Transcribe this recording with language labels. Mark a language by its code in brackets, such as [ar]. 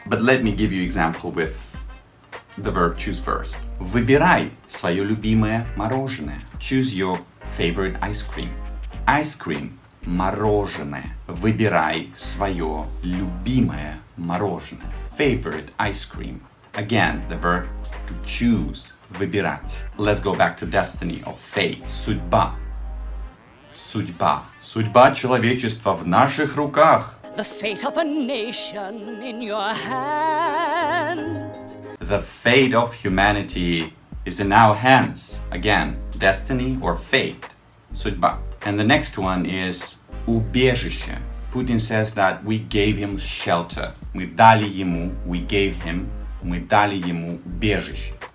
[en] But let me give you example with the verb choose first. [ru] Выбирай свое любимое мороженое. [en] Choose your favorite ice cream. Ice cream. [ru] Мороженое. Выбирай свое любимое мороженое. [en] Favorite ice cream. Again, the verb to choose. Выбирать. Let's go back to destiny of fate. Судьба. Судьба. [ru] Судьба человечества в наших руках. [en] The fate of a nation in your hands. The fate of humanity is in our hands. Again, destiny or fate, судьба. And the next one is убежище. Putin says that we gave him shelter. [ru] Мы дали ему убежище.